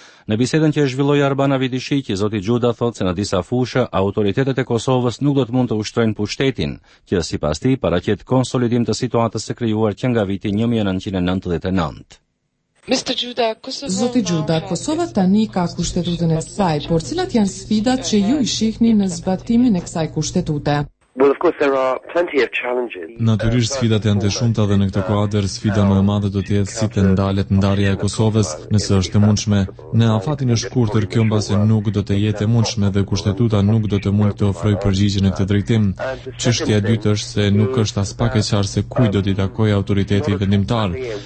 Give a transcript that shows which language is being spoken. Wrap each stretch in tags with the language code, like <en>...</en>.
<sq>Në bisedën që e zhvilloi Arbana Vidishiqi, zoti Gjuda thot se në disa fusha, autoritetet e Kosovës nuk do të mund të ushtrojnë pushtetin, që si pas ti, paraqet konsolidim të situatës së krijuar që nga viti 1999. Zoti Gjuda, Kosova tani ka kushtetutën e saj, por cilat janë sfidat që ju i shihni në zbatimin e kësaj kushtetute?</sq> <en>Well, of course, there are plenty of challenges.</en> <sq>Natyrisht sfidat janë të shumta dhe në këtë kuadër sfida më e madhe do të jetë si të ndalet ndarja e Kosovës, nëse është e mundshme. Në afatin e shkurtër kjo mbase nuk do të jetë e mundshme dhe kushtetuta nuk do të mund të ofrojë përgjigje në këtë drejtim. Çështja e dytë është se nuk është as pak e qartë se kujt do t'i takojë autoriteti vendimtar.</sq>